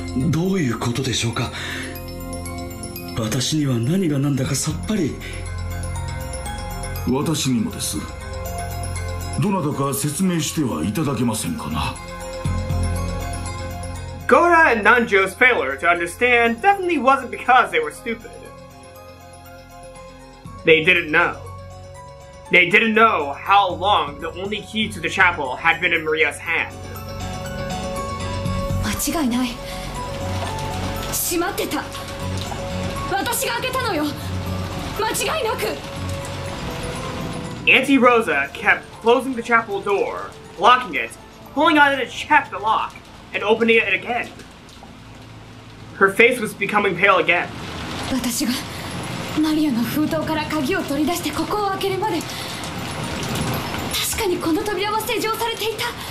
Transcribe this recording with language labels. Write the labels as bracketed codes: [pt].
[ja] どういうことでしょうか。私には何が何だかさっぱり。私にもです。どなたか説明してはいただけませんかな。 [en] Gora and Nanjo's failure to understand definitely wasn't because they were stupidThey didn't know. They didn't know how long the only key to the chapel had been in Maria's hand. [ja] 間違いない。閉まってた。私が開けたのよ。間違いなく。 [en] Auntie Rosa kept closing the chapel door, locking it, pulling out its chest the lock, and opening it again. Her face was becoming pale again. [ja] 私が…マリアの封筒から鍵を取り出してここを開けるまで、確かにこの扉は施錠されていた。